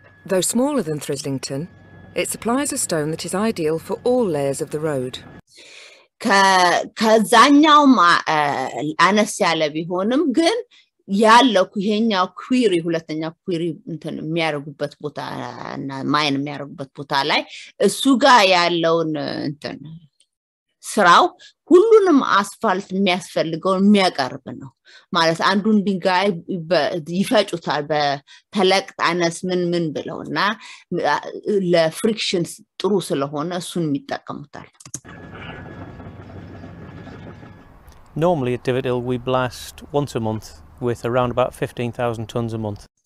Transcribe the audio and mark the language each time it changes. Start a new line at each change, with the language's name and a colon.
English: Though smaller than Thrislington, it supplies a stone that is ideal for all layers of the road.
Amharic: ከዛኛው አነስ ያለ ቢሆንም ግን ያለው ይሄኛው ኩዌሪ ሁለተኛ ኩዌሪ እንትን የሚያርጉበት ቦታ እና ማይን የሚያርጉበት ቦታ ላይ እሱ ጋር ያለውን እንትን ስራው ሁሉንም አስፋልት የሚያስፈልገውን የሚያቀርብ ነው። ማለት አንዱን ድንጋይ ይፈጩታል በተለቅጥ አነስ ምን ብለውና ለፍሪክሽን ጥሩ ስለሆነ እሱን የሚጠቀሙታል።
English: Normally at Divital we blast once a month with around about 15,000 tons a month.